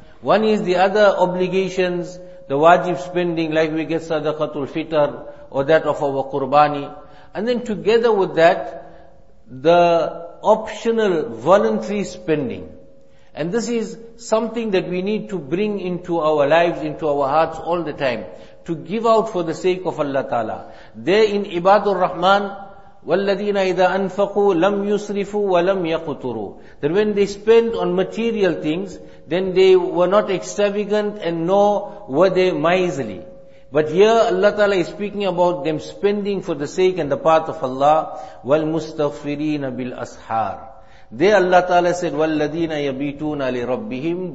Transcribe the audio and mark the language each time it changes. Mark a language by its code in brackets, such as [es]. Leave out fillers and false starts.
[en] One is the other obligations, the wajib spending, like we get sadaqatul fitr, or that of our qurbani. And then together with that, the optional voluntary spending. And this is something that we need to bring into our lives, into our hearts all the time. To give out for the sake of Allah Ta'ala. There in Ibadur Rahman, [ar] وَالَّذِينَ إِذَا أَنْفَقُوا لَمْ يُسْرِفُوا وَلَمْ يَقُتُرُوا. [en] That when they spend on material things, then they were not extravagant and nor were they miserly. But here Allah Ta'ala is speaking about them spending for the sake and the path of Allah. [ar] وَالْمُسْتَغْفِرِينَ بِالْأَسْحَارِ. [en] They, Allah Ta'ala said, [ar] وَالَّذِينَ يَبِيتُونَ لِرَبِّهِمْ.